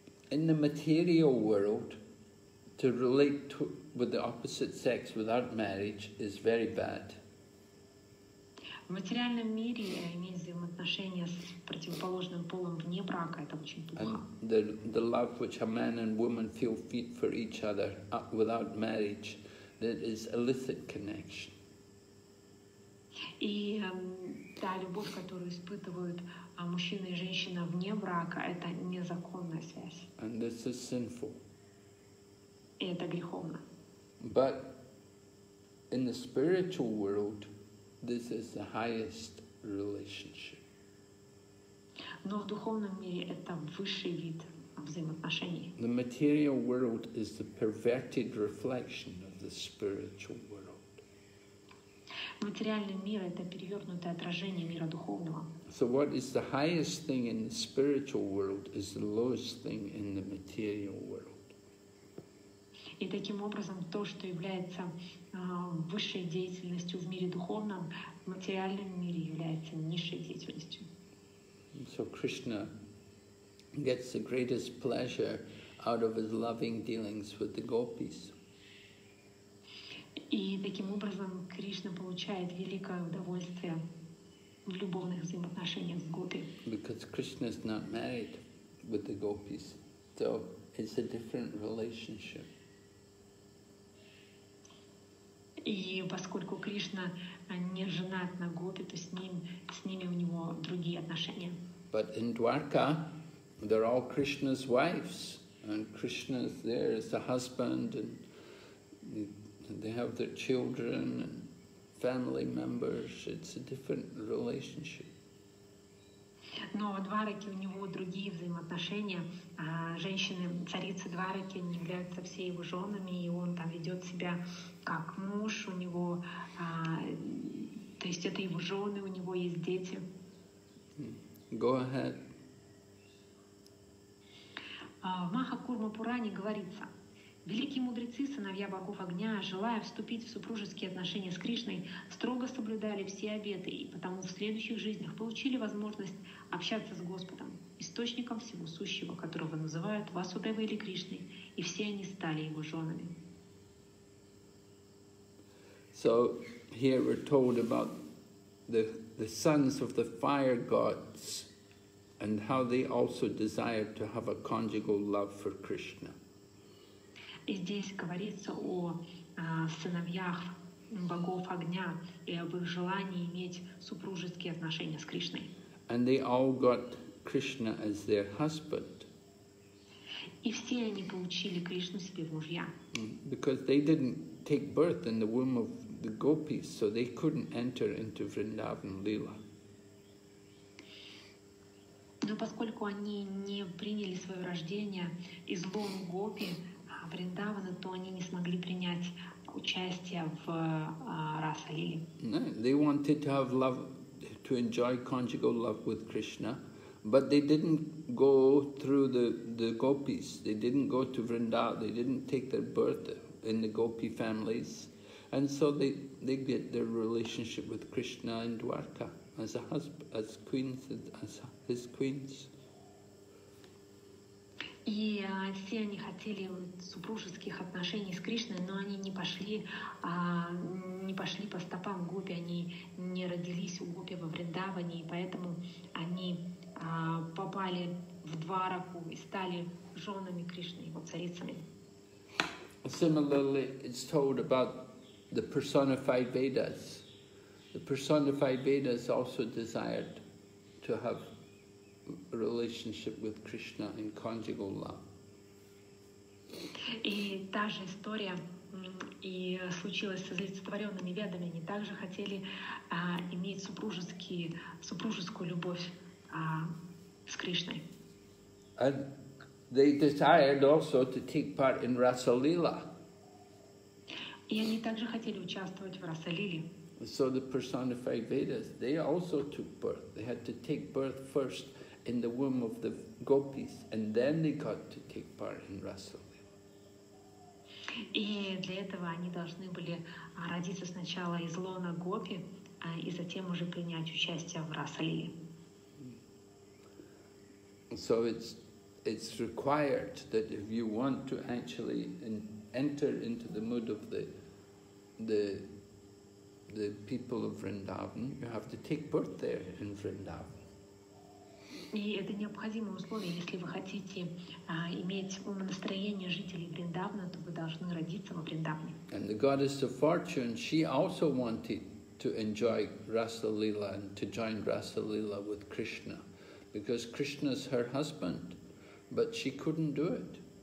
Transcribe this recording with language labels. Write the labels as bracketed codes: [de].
[en] In the material world, to relate to, with the opposite sex without marriage is very bad. [ru] В материальном мире иметь взаимоотношения с противоположным полом вне брака – это очень плохо. [en] And the love which a man and woman feel fit for each other without marriage, that is illicit connection. [ru] И та любовь, которую испытывают мужчина и женщина вне брака, это незаконная связь. [en] And this is sinful. [ru] И это греховно. [en] But in the spiritual world, this is the highest relationship. [ru] Но в духовном мире это высший вид взаимоотношений. [en] The material world is the perverted reflection of the spiritual world. [ru] Материальный мир это перевернутое отражение мира духовного. [en] So what is the highest thing in the spiritual world is the lowest thing in the material world. [ru] И таким образом, то, что является высшей деятельностью в мире духовном, в материальном мире является низшей деятельностью. [en] So Krishna gets the greatest pleasure out of his loving dealings with the gopis. [ru] И таким образом, Кришна получает великое удовольствие в любовных взаимоотношениях с гопи. [en] Because Krishna is not married with the gopis, so it's a different relationship. [ru] И поскольку Кришна не женат на гопи, то с ними у него другие отношения. [en] But in Dwarka, they're all Krishna's wives, and Krishna is there as a husband, and they have their children and family members. It's a different relationship. [ru] Но в Двараке у него другие взаимоотношения. Женщины, царицы Двараки, они являются все его женами, и он там ведет себя как муж, у него, то есть это его жены, у него есть дети. [en] Go ahead. [ru] В Махакурма Пуране говорится, великие мудрецы, сыновья богов огня, желая вступить в супружеские отношения с Кришной, строго соблюдали все обеты, и потому в следующих жизнях получили возможность общаться с Господом, источником всего сущего, которого называют Васудева или Кришной, и все они стали его женами. [en] So here we're told about the sons of the fire gods and how they also desired to have a conjugal love for Krishna. [ru] И здесь говорится о сыновьях богов огня и об их желании иметь супружеские отношения с Кришной. [en] And they all got Krishna as their husband. [ru] И все они получили Кришну себе в мужья. [en] Because they didn't take birth in the womb of the gopis, so they couldn't enter into Vrindavan Lila. [ru] Но поскольку они не приняли свое рождение из лона гопи Вриндавана, то они не смогли принять участие в раса лили. [en] No, they wanted to have love, to enjoy conjugal love with Krishna. But they didn't go through the gopis, they didn't go to Vrindavan, they didn't take their birth in the gopi families. And so they get their relationship with Krishna and Dwarka as a husband, as queens, as his queens. [ru] И все они хотели супружеских отношений с Кришной, но они не пошли по стопам гопи, они не родились у гопи во Вриндаване, и поэтому они попали в Двараку и стали женами Кришны, его царицами. [en] Similarly, it's told about the personified Vedas. The personified Vedas also desired to have a relationship with Krishna in conjugal love. [ru] И та же история и случилась с олицетворенными ведами. Они также хотели иметь супружескую любовь с Кришной. [en] And they desired also to take part in Rasa Lila. [ru] И они также хотели участвовать в Раса Лиле. [en] So the personified Vedas, they also took birth. They had to take birth first in the womb of the gopis, and then they got to take part in Rasa Lila. [ru] И для этого они должны были родиться сначала из лона гопи, и затем уже принять участие в Раса Лиле. [en] So it's required that if you want to actually enter into the mood of the people of Vrindavan, you have to take birth there in Vrindavan. [ru] И это необходимое условие, если вы хотите иметь умонастроение жителей Вриндавана, то вы должны родиться во Вриндаване. [en] And the goddess of fortune, she also wanted to enjoy Rasa Lila and to join Rasa Lila with Krishna, because Krishna's her husband, but she couldn't do it.